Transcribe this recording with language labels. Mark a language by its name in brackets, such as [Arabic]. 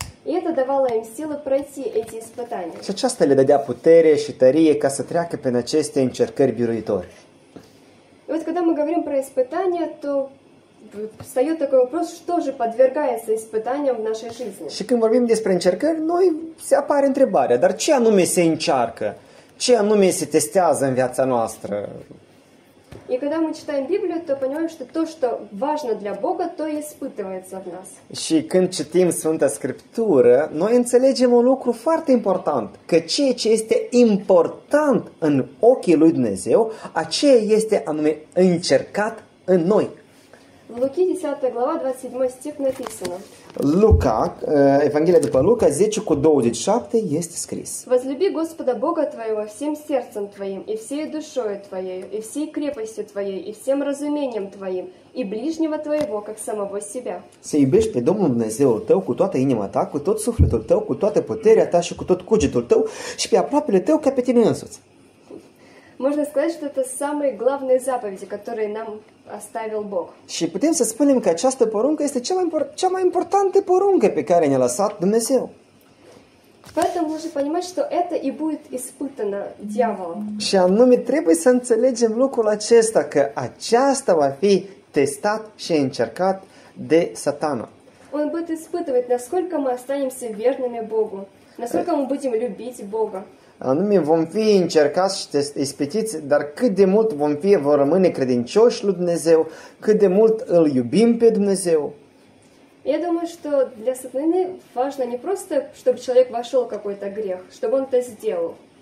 [Russian] И это давало им силы пройти эти испытания. [Romanian] Și aceasta le dădea putere și tărie ca să treacă prin aceste încercări biruitoare. [Russian] И вот когда мы говорим про испытания, то встает такой вопрос, что же подвергается испытаниям в нашей жизни. [Romanian] Și când vorbim despre încercări, noi se apare întrebarea, dar ce anume se încearcă? Ce anume se testează în viața noastră? [Russian] И когда мы читаем Библию, то понимаем, что то, что важно для Бога, то и испытывается в нас. [Romanian] Și când citim Sfânta Scriptură, noi înțelegem un lucru foarte important, că ceea ce este important în ochii lui Dumnezeu, aceea este anume încercat în noi. [Russian] Луки 10 глава 27 стих написано. [Romanian] Лука, Евангелие după Лука 10:27 есть скрис. [Russian] Возлюби Господа Бога твоего всем сердцем твоим и всей душою твоей и всей крепостью твоей и всем разумением твоим и ближнего твоего как самого себя. [Romanian] Се iubești pe Domnul Dumnezeul tău cu toată inima ta, cu tot sufletul tău, cu toată puterea ta și cu tot cugetul tău și pe aproapele tău ca pe tine însuți. [Russian] Можно сказать, что это самые главные заповеди, которые нам оставил Бог. [Romanian] Și putem să spunem că această poruncă este cea mai importantă poruncă pe care ne-a lăsat Dumnezeu. [Russian] Поэтому нужно понимать, что это и будет испытано дьяволом. [Romanian] Și anume trebuie să înțelegem lucrul acesta, că aceasta va fi testat și încercat de Satana. [Russian] Он будет испытывать, насколько мы останемся верными Богу, насколько мы будем любить Бога. [Romanian] Anume, vom fi încercați și ispitiți, dar cât de mult vom rămâne credincioși lui Dumnezeu, cât de mult îl iubim pe Dumnezeu. [Russian] Я думаю, что для сатаны важно не просто, чтобы человек вошел в какой-то грех, чтобы он это сделал.